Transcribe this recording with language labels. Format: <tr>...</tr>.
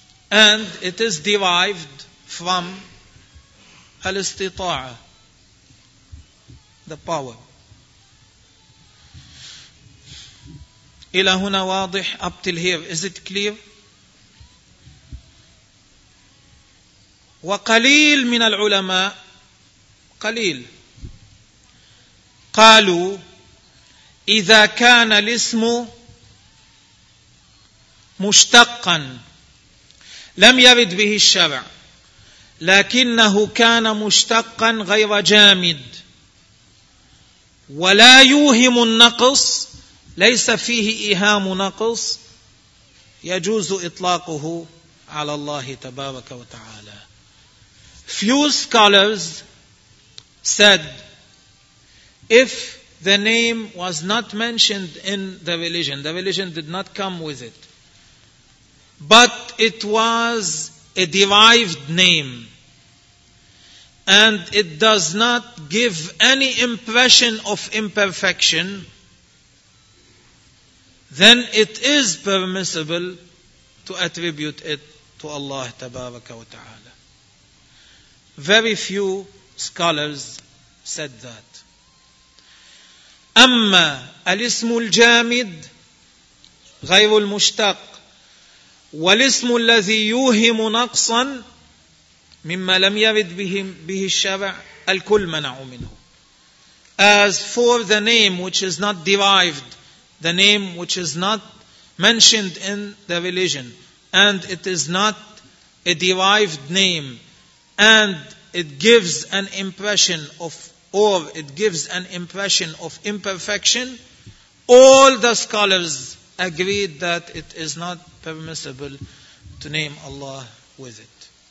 <en>And it is derived from al-istita'a, the power.</en> <ar>إلى هنا واضح,</ar> <en>up till here. Is it clear?</en> <ar>وقليل من العلماء, قليل, قالوا إذا كان الاسم مشتقا لم يرد به الشرع لكنه كان مشتقا غير جامد ولا يوهم النقص ليس فيه إيهام نقص يجوز إطلاقه على الله تبارك وتعالى.</ar> <en>Few scholars said, if the name was not mentioned in the religion did not come with it, but it was a derived name, and it does not give any impression of imperfection, then it is permissible to attribute it to Allah Tabaraka wa Ta'ala. Very few scholars said that.</en> <ar>أما الاسم الجامد غير المشتق والاسم الذي يوهم نقصا مما لم يرد به الشرع الكل منع منه.</ar> <en>As for the name which is not derived, the name which is not mentioned in the religion, and it is not a derived name, and it gives an impression of, or it gives an impression of imperfection, all the scholars agreed that it is not permissible to name Allah with it.</en>